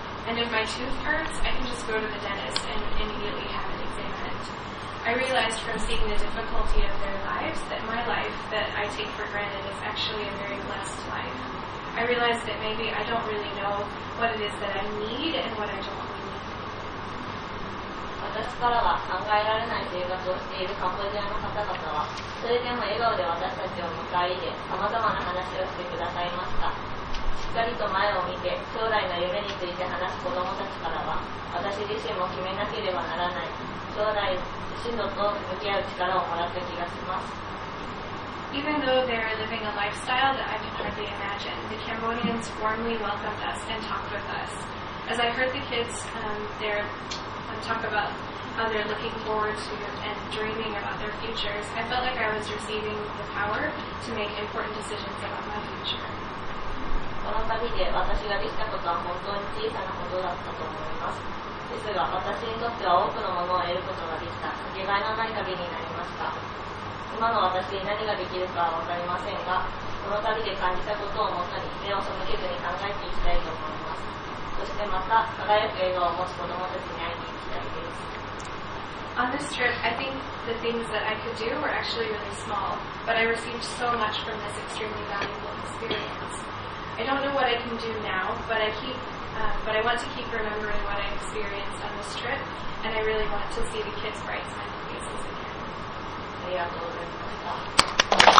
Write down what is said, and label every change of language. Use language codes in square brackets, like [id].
[en] And if my tooth hurts, I can just go to the dentist and immediately have it examined. I realized from seeing the difficulty of their lives that my life that I take for granted is actually a very blessed life. I realized that maybe I don't really know what it is that I need and what I don't need. [ja] 私からは考えられない生活をしているカンボジアの方々は、それでも笑顔で私たちを迎え入れ、様々な話をしてくださいました。しっかりと前を見て将来の夢について話す子どもたちからは私自身も決めなければならない将来進路と向き合う力をもらった気がします。 [en] Even though they are living a lifestyle that I can hardly imagine, the Cambodians warmly welcomed us and talked with us. As I heard the kids there talk about how they're looking forward to and dreaming about their futures, I felt like I was receiving the power to make important decisions about my future. [ja] この旅で私ができたことは本当に小さなことだったと思います。ですが、私にとっては多くのものを得ることができた、かけがえのない旅になりました。今の私に何ができるかは分かりませんが、この旅で感じたことをもとに目を背けずに考えていきたいと思います。そしてまた、輝く笑顔を持つ子どもたちに会いに行きたいです。 [en] On this trip, I think the things that I could do were actually really small, but I received so much from this extremely valuable experience. I don't know what I can do now, but I want to keep remembering what I experienced on this trip, and I really want to see the kids' bright smiling faces again.